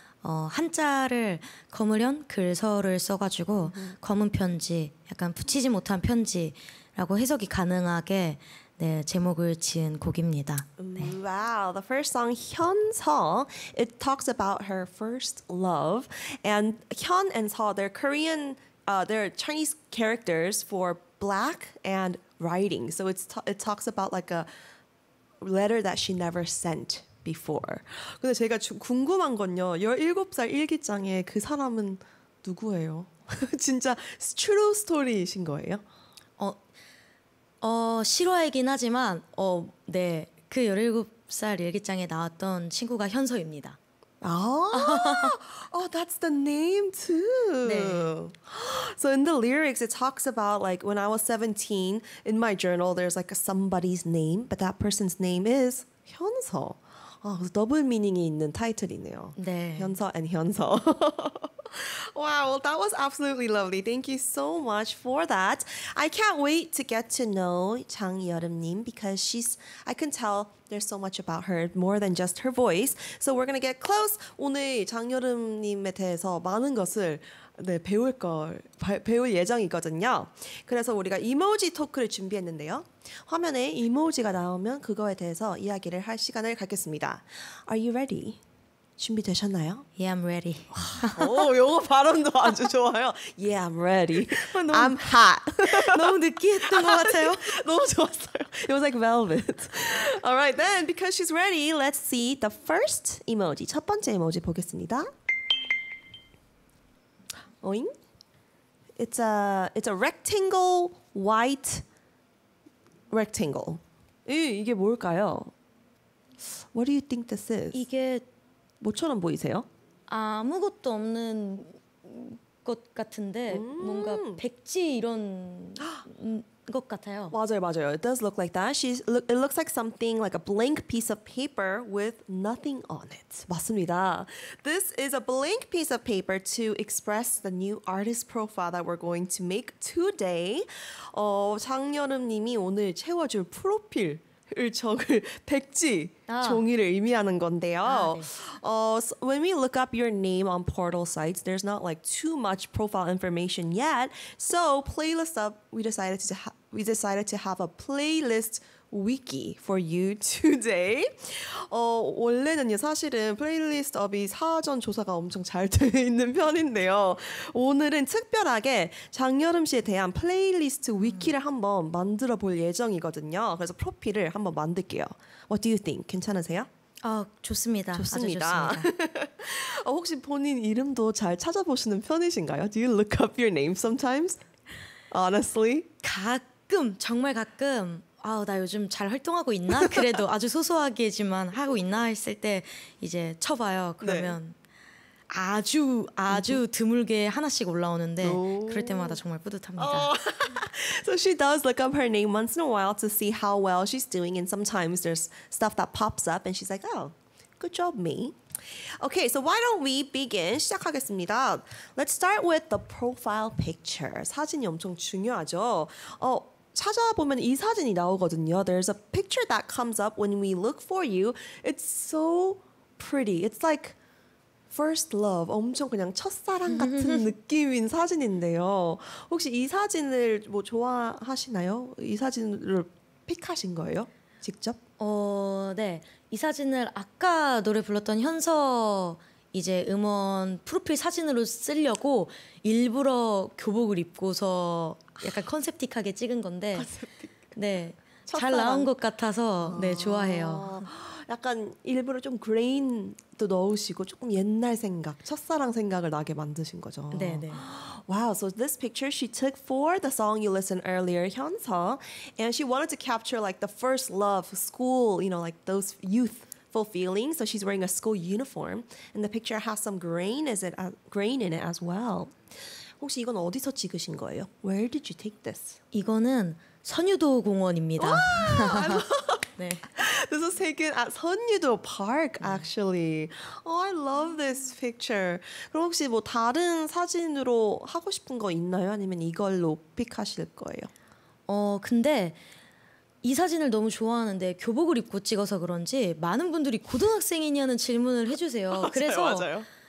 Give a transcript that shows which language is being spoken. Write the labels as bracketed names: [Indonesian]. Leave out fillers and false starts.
[Korean] 한자를 검으련 글서를 써가지고 검은 편지, 약간 붙이지 못한 편지라고 해석이 가능하게 네, 제목을 지은 곡입니다. 네. [English] Wow, the first song, 현서, it talks about her first love. And 현 and 서, they're Korean, they're Chinese characters for black and writing. So it talks about like a letter that she never sent. Before. [Korean] 근데 제가 궁금한 건요. 17살 일기장에 그 사람은 누구예요? 진짜 트루 스토리이신 거예요? 실화이긴 하지만 네. 그 17살 일기장에 나왔던 친구가 현서입니다. [English] 아! that's the name too. [Korean] 네. [English] So in the lyrics it talks about like when I was 17 in my journal there's like a somebody's name but that person's name is 현서. [Korean] 더블 미닝이 있는 타이틀이네요. 네. [English] 현서 and 현서. Wow, well, that was absolutely lovely. Thank you so much for that. I can't wait to get to know Chang Yeoreum-nim because she's, I can tell there's so much about her, more than just her voice. So we're going to get close. [Korean] 오늘 장 여름님에 대해서 많은 것을 네, 배울 예정이거든요. 그래서 우리가 이모지 토크를 준비했는데요. 화면에 이모지가 나오면 그거에 대해서 이야기를 할 시간을 갖겠습니다. [English] Are you ready? [Korean] 준비되셨나요? [English] Yeah, I'm ready. [Korean] 오, 영어 발음도 아주 좋아요. [English] Yeah, I'm ready. I'm hot. [Korean] 너무 느끼했던 것 같아요. 너무 좋았어요. [English] It was like velvet. All right, then, because she's ready, let's see the first emoji. [Korean] 첫 번째 emoji 보겠습니다. 오잉? [English] It's a rectangle, white rectangle. [Korean] 이게 뭘까요? [English] What do you think this is? [Korean] 이게 뭐처럼 보이세요? 아무것도 없는 것 같은데 뭔가 백지 이런 것 같아요. 맞아요, 맞아요. [English] It does look like that. It looks like something like a blank piece of paper with nothing on it. [Korean] 맞습니다. [English] This is a blank piece of paper to express the new artist profile that we're going to make today. [Korean] 장여름님이 오늘 채워줄 프로필. 적을 백지 종이를 의미하는 건데요. 네. [English] So when we look up your name on portal sites, there's not like too much profile information yet. So playlist up, we decided to have a playlist wiki for you today. [Korean] 원래는요 사실은 playlist up이 사전 조사가 엄청 잘 되어 있는 편인데요. 오늘은 특별하게 장여름 씨에 대한 playlist wiki를 한번 만들어 볼 예정이거든요. 그래서 프로필을 한번 만들게요. [English] What do you think? [Korean] 괜찮으세요? 좋습니다. 좋습니다. 아주 좋습니다. 혹시 본인 이름도 잘 찾아보시는 편이신가요? [English] Do you look up your name sometimes? Honestly? [Korean] 가끔, 정말 가끔. 나 요즘 잘 활동하고 있나? 그래도 아주 소소하게지만 하고 있나 했을 때 이제 쳐봐요. 그러면 네. 아주 아주 드물게 하나씩 올라오는데 그럴 때마다 정말 뿌듯합니다. [English] So she does look up her name once in a while to see how well she's doing and sometimes there's stuff that pops up and she's like, "Oh, good job, me." Okay, so why don't we begin? [Korean] 시작하겠습니다. [English] Let's start with the profile picture. [Korean] 사진이 엄청 중요하죠. 찾아보면 이 사진이 나오거든요. [English] There's a picture that comes up when we look for you. It's so pretty. It's like first love. [Korean] 엄청 그냥 첫사랑 같은 느낌인 사진인데요. 혹시 이 사진을 뭐 좋아하시나요? 이 사진을 픽하신 거예요? 직접? 네. 이 사진을 아까 노래 불렀던 현서 이제 음원 프로필 사진으로 쓰려고 일부러 교복을 입고서 약간 컨셉틱하게 찍은 건데 네, 잘 나온 것 같아서 네, 좋아해요. 약간 일부러 좀 그레인도 넣으시고 조금 옛날 생각, 첫사랑 생각을 나게 만드신 거죠. 네, 네. [English] Wow, so this picture she took for the song you listened earlier, 현서, and she wanted to capture like the first love, school, you know, like those youth fulfilling. So she's wearing a school uniform and the picture has some grain in it as well. [Korean] 혹시 이건 어디서 찍으신 거예요? [English] Where did you take this? [Korean] 이거는 선유도 공원입니다. [English] Wow, this was taken at 선유도 park, actually. Oh, I love this picture. [Korean] 그럼 혹시 뭐 다른 사진으로 하고 싶은 거 있나요? 아니면 이걸로 픽하실 거예요? 근데 이 사진을 너무 좋아하는데 교복을 입고 찍어서 그런지 많은 분들이 고등학생이냐는 질문을 해주세요. 맞아요, 그래서 맞아요.